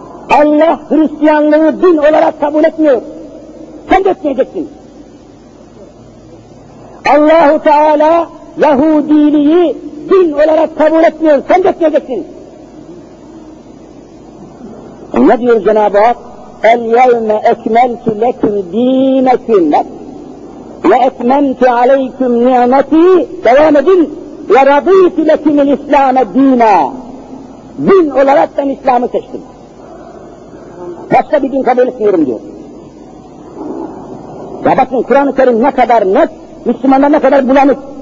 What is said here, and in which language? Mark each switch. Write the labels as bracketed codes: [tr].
[tr] Allah Hristiyanlığı din olarak kabul etmiyor. Sen de etmeyeceksin. Allah-u Teala Yahudiliği din olarak kabul etmiyor. Sen de etmeyeceksin. Ne diyor Cenab-ı Hak? [ar] اَلْيَوْمَ اَكْمَلْتُ لَكُمْ دِينَكُمْ وَاَتْمَمْتُ عَلَيْكُمْ نِعْمَتِي [tr] Devam edin. [ar] وَرَضِيْتُ لَكُمْ الْاِسْلَامَ دِينَا [tr] Din olarak ben İslam'ı seçtim. Başka bir din kabul etmiyorum diyor. Ya bakın Kur'an-ı Kerim ne kadar net, Müslümanlar ne kadar bulanık.